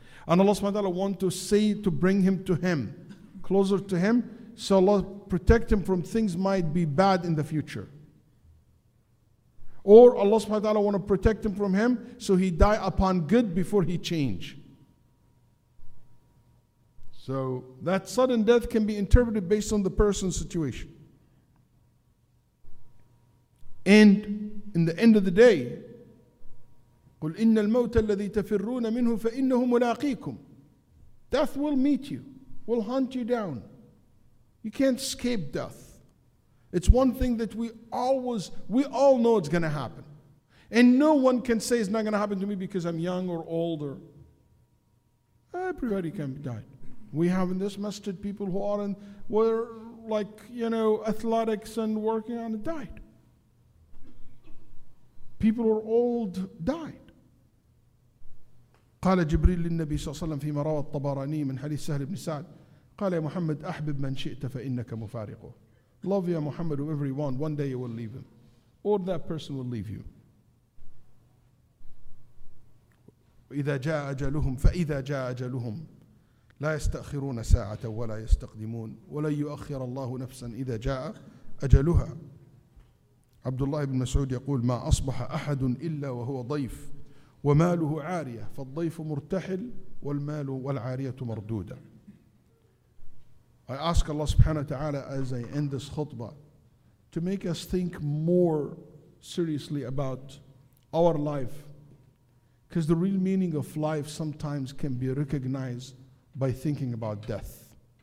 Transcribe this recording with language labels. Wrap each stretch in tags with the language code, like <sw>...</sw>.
<en>And Allah subhanahu wa ta'ala want to say, to bring him to him, closer to him, so Allah protect him from things might be bad in the future. Or Allah subhanahu wa ta'ala want to protect him from him, so he die upon good before he change. So that sudden death can be interpreted based on the person's situation. And in the end of the day,</en> <ar>قُلْ إِنَّ الْمَوْتَ الَّذِي تَفِرُّونَ مِنْهُ فَإِنَّهُ مُلَاقِيكُمْ.</ar> <en>Death will meet you, will hunt you down. You can't escape death. It's one thing that we all know it's going to happen. And no one can say it's not going to happen to me because I'm young or older. Everybody can die. We have in this masjid people who are in, were like, you know, athletics and working on it, died. People who are old died.</en> <ar>قال جبريل للنبي صلى الله عليه وسلم فيما روى الطبراني من حديث سهل بن سعد قال يا محمد أحبب من شئت فإنك مفارقه.</ar> <en>Love ya Muhammad, whoever you want, one day you will leave him. Or that person will leave you.</en> <ar>إذا جاء أجلهم فإذا جاء أجلهم لا يستأخرون ساعة ولا يستقدمون ولن يؤخر الله نفسا إذا جاء أجلها. عبد الله بن مسعود يقول ما أصبح أحد إلا وهو ضيف وماله عارية فالضيف مرتحل والمال والعارية مردودة.</ar> <en>I ask Allah subhanahu wa ta'ala as I end this khutbah to make us think more seriously about our life, because the real meaning of life sometimes can be recognized by thinking about death.</en>